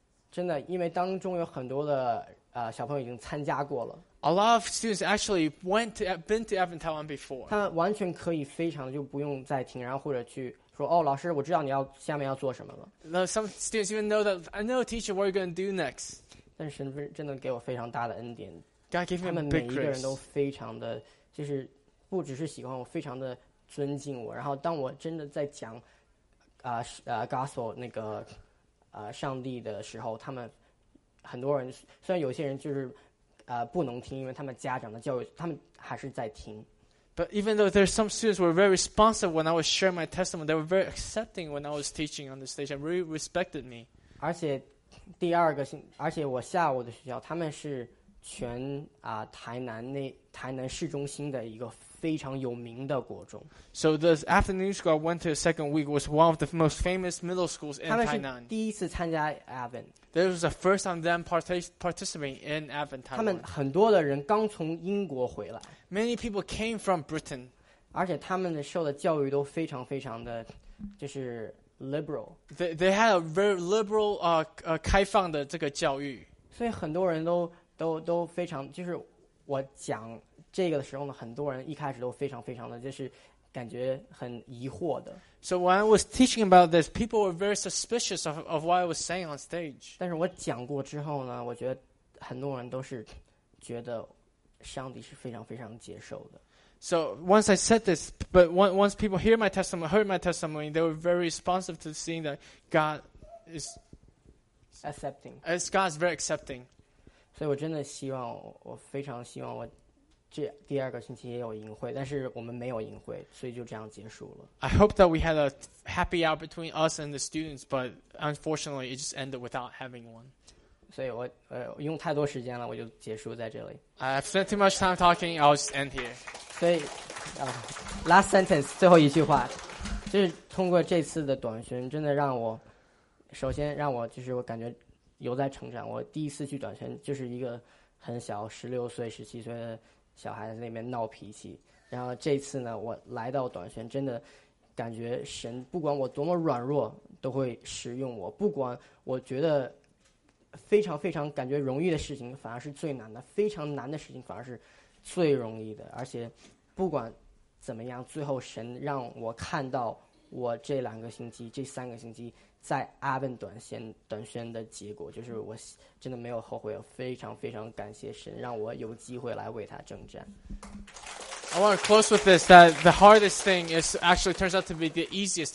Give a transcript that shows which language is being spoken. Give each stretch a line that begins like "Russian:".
Chinese: 真的，因为当中有很多的小朋友已经参加过了。
English: A lot of students actually been to Evan Taiwan before.
Chinese: 他完全可以非常就不用再听，然后或者去说哦，老师，我知道你要下面要做什么了。
English: No, some students even know that I know teacher what you're going to do next.
Chinese: 但是神真的给我非常大的恩典。
English: God gave me a big grace.
Chinese: 他们每一个人都非常的，就是不只是喜欢我，非常的尊敬我。然后当我真的在讲gospel 那个。上帝的时候，他们很多人，虽然有些人就是不能听，因为他们家长的教育，他们还是在听。
English: But even though there's some students were very responsive when I was sharing my testimony, they were very accepting when I was teaching on the stage and really respected me.
Chinese: 而且第二个星，而且我下午的学校，他们是全台南市中心的一个非常有名的国中。
English: So the afternoon school I went to the second week was one of the most famous middle schools in Tainan.
Chinese: 他们是第一次参加 Evan.
English: This was the first time them participating in Evan Taiwan.
Chinese: 他们很多的人刚从英国回来。
English: Many people came from Britain.
Chinese: 而且他们受的教育都非常非常的，就是 liberal.
English: They had a very liberal
Chinese: 开放的这个教育。所以很多人都非常就是。我讲这个的时候呢，很多人一开始都非常非常的，就是感觉很疑惑的。
English: So when I was teaching about this, people were very suspicious of what I was saying on stage.
Chinese: 但是我讲过之后呢，我觉得很多人都是觉得上帝是非常非常接受的。
English: So once I said this, but once people hear my testimony, heard my testimony, they were very responsive to seeing that God is accepting. God is very accepting.
Chinese: 所以我真的希望，我非常希望我这第二个星期也有营会，但是我们没有营会，所以就这样结束了。
English: I hope that we had a happy hour between us and the students, but unfortunately, it just ended without having one.
Chinese: 所以我用太多时间了，我就结束在这里。
English: I've spent too much time talking. I'll just end here.
Chinese: 所以
English: last sentence
Chinese: 最后一句话，就是通过这次的短宣，真的让我首先让我就是我感觉有在成长。我第一次去短宣就是一个很小16岁17岁的小孩在那边闹脾气，然后这次呢我来到短宣真的感觉神不管我多么软弱都会使用我，不管我觉得非常非常感觉容易的事情反而是最难的，非常难的事情反而是最容易的，而且不管怎么样最后神让我看到我这两个星期这三个星期在阿本短宣的结果，就是我真的没有后悔，非常非常感谢神让我有机会来为他征战。
English: I want to close with this, that the hardest thing is actually turns out to be the easiest.